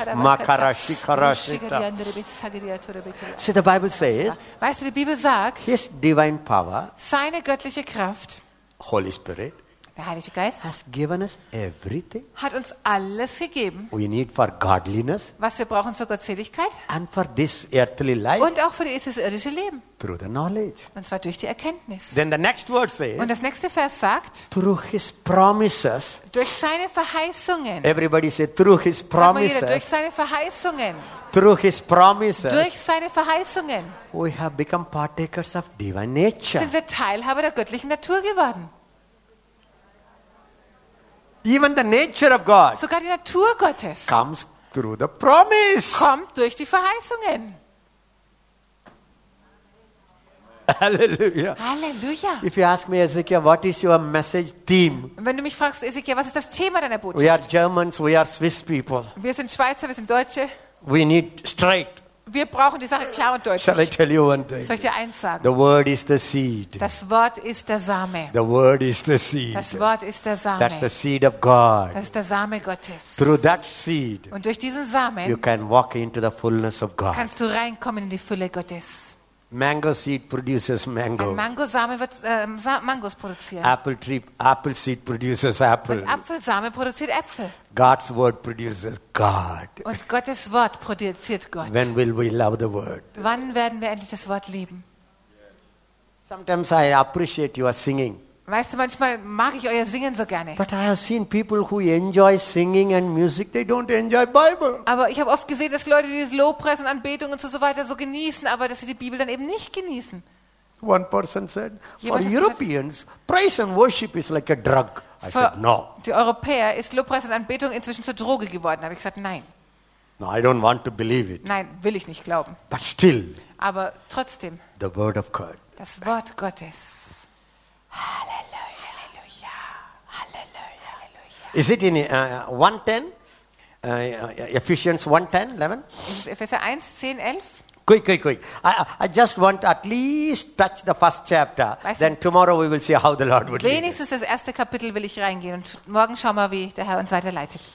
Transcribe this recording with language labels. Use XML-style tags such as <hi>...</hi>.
<en>Makarashi karashita. See, the Bible says,</en> <de>weißt du, die Bibel sagt,</de> <en>his divine power,</en> <de>seine göttliche Kraft,</de> <en>Holy Spirit,</en> <de>der Heilige Geist,</de> <en>has given us everything,</en> <de>hat uns alles gegeben,</de> <en>we need for godliness,</en> <de>was wir brauchen zur Gottseligkeit,</de> <en>and for this earthly life,</en> <de>und auch für dieses irdische Leben,</de> <en>through the knowledge,</en> <de>und zwar durch die Erkenntnis.</de> <en>Then the next word says,</en> <de>und das nächste Vers sagt,</de> <en>through his promises,</en> <de>durch seine Verheißungen,</de> <en>everybody say, through his promises,</en> <de>jeder, durch seine Verheißungen,</de> <en>through his promises,</en> <de>durch seine Verheißungen,</de> <en>we have become partakers of divine nature,</en> <de>sind wir Teilhaber der göttlichen Natur geworden.</de> <en>Even the nature of God,</en> <de>sogar die Natur Gottes,</de> <en>comes through the promise,</en> <de>kommt durch die Verheißungen.</de> <en>Halleluja.</en> <de>Halleluja.</de> <en>If you ask me, Ezekiel, what is your message theme?</en> <de>Wenn du mich fragst, Ezekiel, was ist das Thema deiner Botschaft?</de> <en>We are Germans, we are Swiss people.</en> <de>Wir sind Schweizer, wir sind Deutsche.</de> <en>We need straight.</en> <de>Wir brauchen die Sache klar und deutlich.</de> <en>Shall I tell you one thing?</en> <de>Soll ich dir eins sagen?</de> <en>The word is the seed.</en> <de>Das Wort ist der Same.</de> <en>The word is the seed.</en> <de>Das Wort ist der Same.</de> <en>That's the seed of God.</en> <de>Das ist der Same Gottes.</de> <en>Through that seed,</en> <de>und durch diesen Samen,</de> <en>you can walk into the fullness of God.</en> <de>Kannst du reinkommen in die Fülle Gottes.</de> <en>Mango seed produces mangoes.</en> <de>Mangosamen wird Mangos produzieren.</de> <en>Apple seed produces apple.</en> <de>Und Apfelsamen produziert Äpfel.</de> <en>God's word produces God.</en> <de>Und Gottes Wort produziert Gott.</de> <en>When will we love the word?</en> <de>Wann werden wir endlich das Wort lieben?</de> <en>Sometimes I appreciate your singing.</en> <de>Weißt du, manchmal mag ich euer Singen so gerne.</de> <en>But I have seen people who enjoy singing and music, they don't enjoy Bible.</en> <de>Aber ich habe oft gesehen, dass Leute dieses Lobpreis und Anbetung und so weiter so genießen, aber dass sie die Bibel dann eben nicht genießen.</de> <en>One person said, for Europeans, praise and worship is like a drug. I said, no.</en> <de>Die Europäer ist Lobpreis und Anbetung inzwischen zur Droge geworden. Habe ich gesagt, nein.</de> <en>No, I don't want to believe it.</en> <de>Nein, will ich nicht glauben.</de> <en>But still.</en> <de>Aber trotzdem.</de> <en>The word of God.</en> <de>Das Wort Gottes. Halleluja, Halleluja, Halleluja.</de> <en>Is it in 1:10? Ephesians 1:10, 11?</en> <de>Ist es Epheser 1, 10, 11?</de> <en>Quick. I just want at least touch the first chapter.</en> <de>Weißt</de> <en>then</en> <de>du,</de> <en>tomorrow we will see how the Lord would lead.</en> <de>Wenigstens das erste Kapitel will ich reingehen und morgen schauen wir, wie der Herr uns weiterleitet.</de>